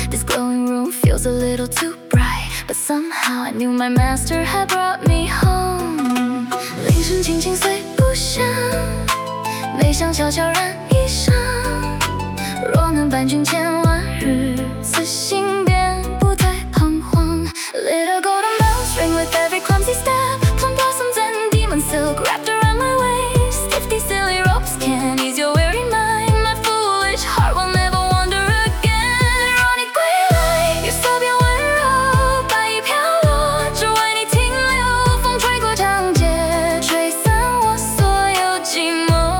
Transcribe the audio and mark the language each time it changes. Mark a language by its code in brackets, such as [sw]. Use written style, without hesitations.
[en] This glowing room feels a little too bright, but somehow I knew my master had brought me home. [zh] 铃声轻轻碎不响，没想悄悄染衣裳，若能伴君千万日，此心便不再彷徨。 [en] Little golden bells ring with every clumsy step, plum blossoms and demon silk wrapped around my waist. If these silly ropes can ease your weary mind, my foolish heart will never wander again. [zh] 若你归来，月色变温柔，白衣飘落，只为你停留。风吹过长街，吹散我所有寂寞。